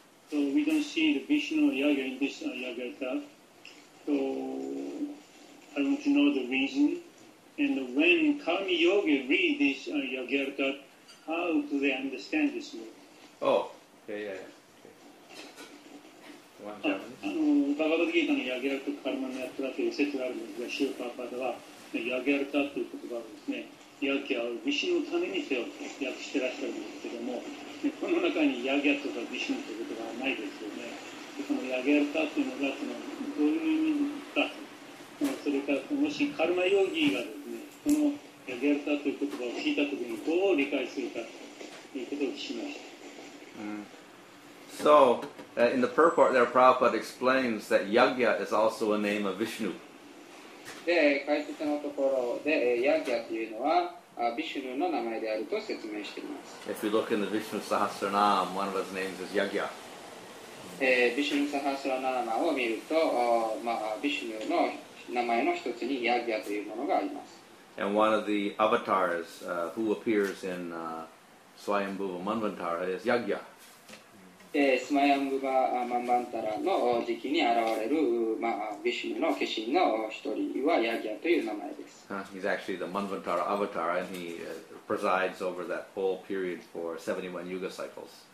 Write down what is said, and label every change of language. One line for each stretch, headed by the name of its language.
English: So we don't see the Vishnu or Yagya in this Yagyata. So I want to know the reason. And when Karma Yogi read this Yagyata, how do they understand this word? Oh. Yeah, yeah, yeah. Okay.
Japanese: バガヴァッド・ギータのヤギャルタ・カルマのヤトラという説があるので、シューパーパーではヤギャルタという言葉をですね、ヤギャルビシのためにせよと訳してらっしゃるんですけども、この中にヤギャルタとかビシのという言葉はないですよね。このヤギャルタというのがそのどういう意味か、それからもしカルマヨギーがですね、このヤギャルタという言葉を聞いたときにどう理解するかということを聞きました。
English: So, in the purport there, Prabhupada explains that Yagya is also a name of Vishnu.
Japanese: で、解説のところで、Yagya というのは、Vishnu の名前であると説明しています。
English: If we look in the Vishnu Sahasranam, one of his names is Yagya.
Japanese: Vishnu Sahasranama を見ると、Vishnu の名前の一つに Yagya というものがあります。
English: And one of the avatars who appears in Swayambhuva Manvantara is Yagya.
Japanese: スマヤンブバマンバンタラの時期に現れる、ヴィシュヌの化身の一人はヤギャという名前です。
English: He's actually the Manvantara avatar and he presides over that whole period for 71 yuga cycles.